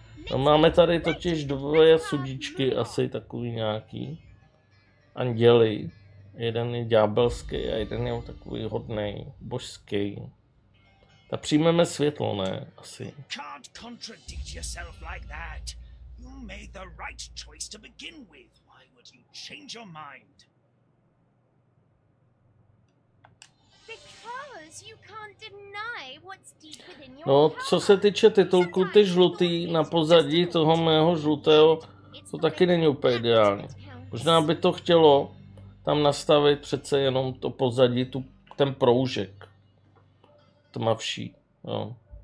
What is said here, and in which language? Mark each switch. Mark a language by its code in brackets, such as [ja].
[cs] No, máme tady totiž dvoje sudičky, asi takový nějaký anděli. Jeden je ďábelský a jeden je takový hodný, božský. Tak přijmeme světlo, ne? Asi. [en] Can't contradict yourself like that. You made the right choice to begin with. Why would you change your mind? Because you can't deny what's deep within your heart. [cs] No, co se týče titulku, ty žlutý na pozadí toho mého žlutého, to taky není úplně ideální. Možná by to chtělo tam nastavit přece jenom to pozadí, ten proužek tmavší, jo.